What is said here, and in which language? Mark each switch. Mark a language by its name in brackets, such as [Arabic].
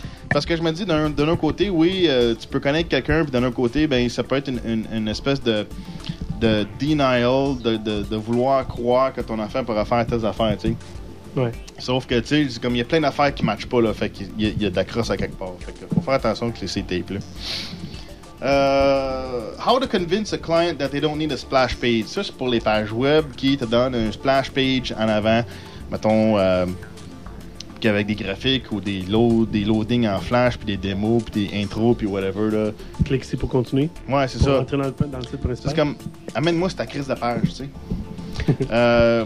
[French] Parce que je me dis, d'un autre côté, oui, tu peux connaître quelqu'un, puis d'un autre côté, ben ça peut être une espèce de denial, de vouloir croire que ton enfant pourra faire tes affaires, tu sais. Ouais. Sauf que, tu sais, comme il y a plein d'affaires qui ne matchent pas, là, fait qu'il y a de la crosse à quelque part. Fait que faut faire attention que c'est tape, là. [English] How to convince a client that they don't need a splash page? [French] Ça, c'est pour les pages web qui te donnent un splash page en avant, mettons... avec des graphiques ou des loadings en flash puis des démos puis des intros puis whatever là. Clique ici pour continuer. Ouais, c'est pour ça. Rentrer dans le site principal. C'est comme amène-moi cette crise de page, tu sais.